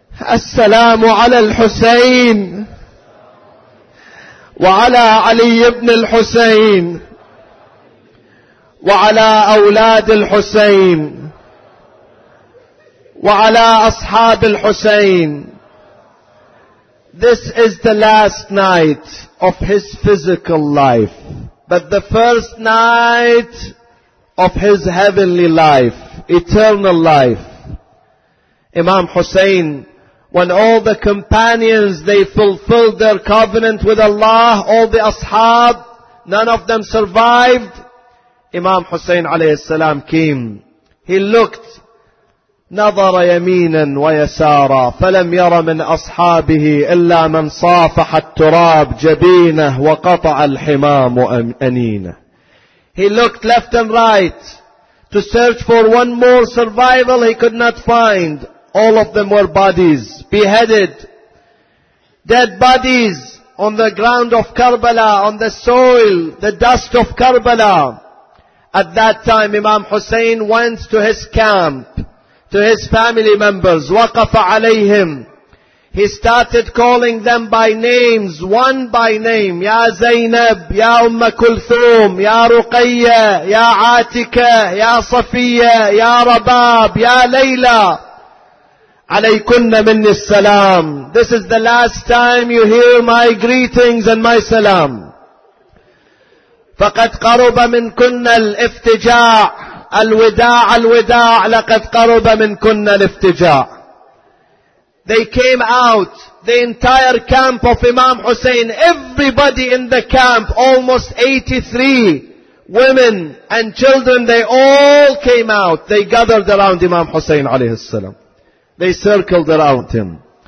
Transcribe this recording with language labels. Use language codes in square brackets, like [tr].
[ar] السلام على الحسين وعلى علي بن الحسين وعلى أولاد الحسين وعلى أصحاب الحسين. [en] This is the last night of his physical life, but the first night of his heavenly life, eternal life. Imam Hussein, when all the companions, they fulfilled their covenant with Allah, all the ashab, none of them survived, Imam Hussein alayhi salam came. He looked, [ar] نظر يمينا ويسارا فلم ير من أصحابه إلا من صافح التراب جبينه وقطع الحمام أنينه. [en] He looked left and right to search for one more survival he could not find. All of them were bodies, beheaded, dead bodies on the ground of Karbala, on the soil, the dust of Karbala. At that time, Imam Hussein went to his camp, to his family members, [ar] waqafa alayhim. [en] He started calling them by names, one by name, Ya Zainab, Ya Umma Kulthum, Ya Ruqayya, Ya Atika, Ya Safiya, Ya Rabab, Ya Layla. [ar] عليكن مني السلام. [en] This is the last time you hear my greetings and my salam. [ar] فقد قرب منكن الافتجاع الوداع الوداع لقد قرب منكن الافتجاع. [en] They came out, the entire camp of Imam Hussein, everybody in the camp, almost 83 women and children, they all came out. They gathered around Imam Hussein عليه السلام. They circled around him.